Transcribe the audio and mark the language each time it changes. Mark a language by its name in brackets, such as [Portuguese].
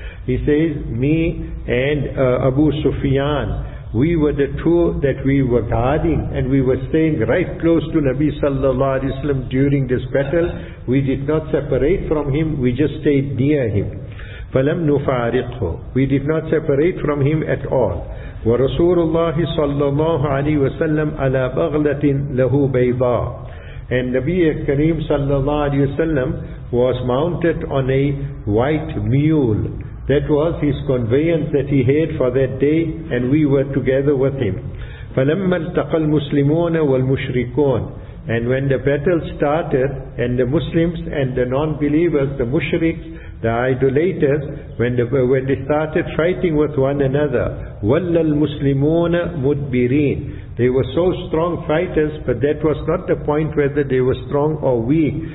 [English] He says, me and Abu Sufyan, we were the two that we were guarding, and we were staying right close to Nabi sallallahu alayhi wa sallam during this battle. We did not separate from him, we just stayed near him. [Arabic] فَلَمْ نُفَارِقْهُ. [English] We did not separate from him at all. [Arabic] ورسول الله صلى الله عليه وسلم على بغلة له بيضاء. [English] And Nabi Kareem صلى الله عليه وسلم was mounted on a white mule. That was his conveyance that he had for that day, and we were together with him. [Arabic] فلما التقى المسلمون والمشركون. [English] And when the battle started, and the Muslims and the non-believers, the mushriks, the idolaters, when they started fighting with one another, [Arabic] وَلَّ الْمُسْلِمُونَ مُدْبِرِينَ. [English] They were so strong fighters, but that was not the point whether they were strong or weak.